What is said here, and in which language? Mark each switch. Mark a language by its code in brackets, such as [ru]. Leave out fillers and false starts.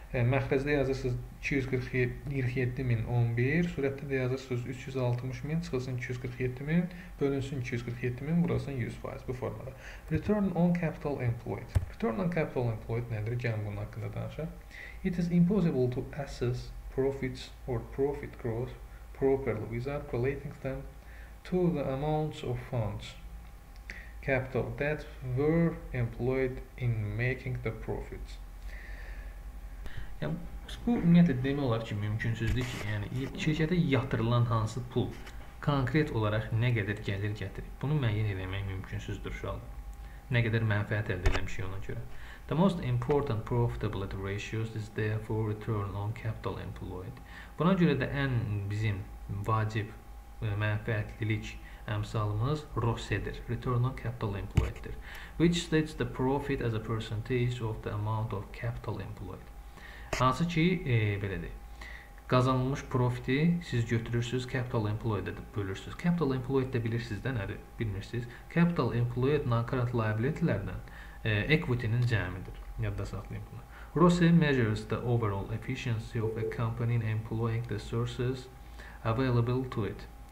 [az] Məxrəzdə yazırsınız 247.011, surətdə də yazırsınız 360.000, çıxılsın 247.000, bölünsün 247.000, burasın 100% bu formada. [en] Return on capital employed. Return on capital employed nədir? [az] Gəlin bunun haqqında danışaq. [en] It is impossible to assess profits or profit growth properly without correlating them to the amounts of funds capital that were employed in making the profits. [az] Yəni, bu ümumiyyətlə demək olar ki, mümkünsüzdür ki, yəni şirkətə yatırılan hansı pul konkret olaraq nə qədər gəlir gətirir. Bunu müəyyən eləmək mümkünsüzdür şu an. Nə qədər mənfəət əldə eləmişik ona görə. [en] The most important profitability ratios is therefore return on capital employed. [az] Buna görə də ən bizim vacib mənfəətlilik əmsalımız ROCE-dir, Return on Capital Employed-dir, [en] which states the profit as a percentage of the amount of capital employed. [az] Hansı ki, belədir, qazanılmış profiti siz götürürsünüz, capital employed-ə bölürsünüz. Capital employed də bilirsiniz də nədir, bilmirsiniz. Capital employed non-current liability-lərdən equity-nin cəmidir, yadda saxlayın bunu. [en] ROCE measures the overall efficiency of a company in employing the sources available to it.